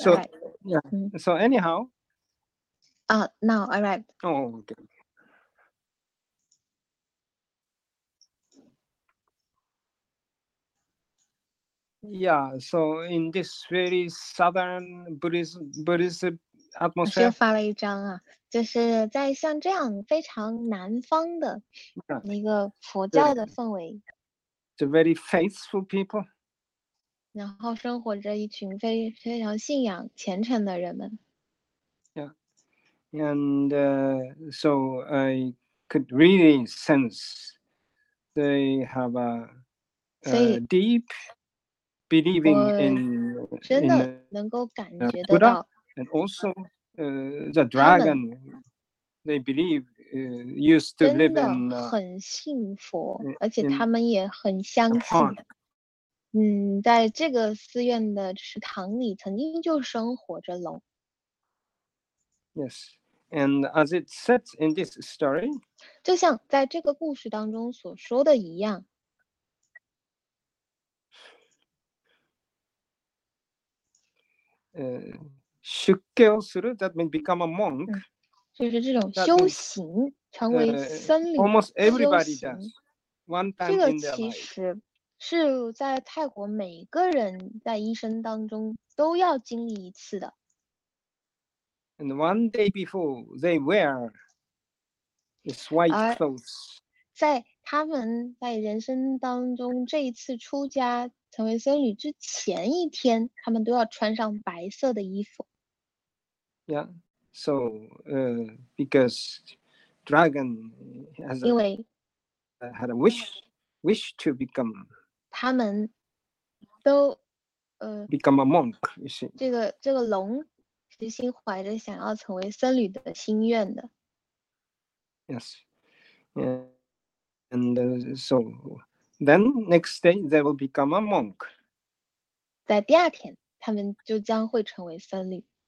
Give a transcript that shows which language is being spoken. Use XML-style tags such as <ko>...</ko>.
<en>So, yeah. So anyhow. Now I arrived. Oh, okay. Yeah, so in this very southern Buddhist atmosphere.</en> <zh>我先发了一张啊，就是在像这样非常南方的那个佛教的氛围。</zh> <en>It's a very faithful people.</en> <zh>然后生活着一群非常信仰虔诚的人们。</zh> <en>Yeah, and so I could really sense they have a deep believing in Buddha, and also the dragon they believe used to live in.</en> <zh>真的很信佛，而且他们也很相信。在这个寺院的池塘里曾经就生活着龙。</zh> <en>Yes, and as it says in this story,</en> <zh>就像在这个故事当中所说的一样。</zh> <en>修行する that means become a monk,</en> <zh>就是这种修行</zh> <en>means,</en> <zh>成为僧侣</zh> <en>修行。Almost everybody does. one time in their life.</en> <zh>这个其实是在泰国每个人在一生当中都要经历一次的。</zh> <en>And one day before they wear this white clothes.</en> <zh>在他们在人生当中这一次出家成为僧侣之前一天，他们都要穿上白色的衣服。</zh> <en>Yeah, so, because dragon has had a wish to become.</en> <zh>他们都</zh> <en>become a monk. You see,</en> <zh>这个龙其实心怀着想要成为僧侣的心愿的。</zh> <en>Yes, and so then next day they will become a monk.</en> <zh>在第二天，他们就将会成为僧侣。</zh>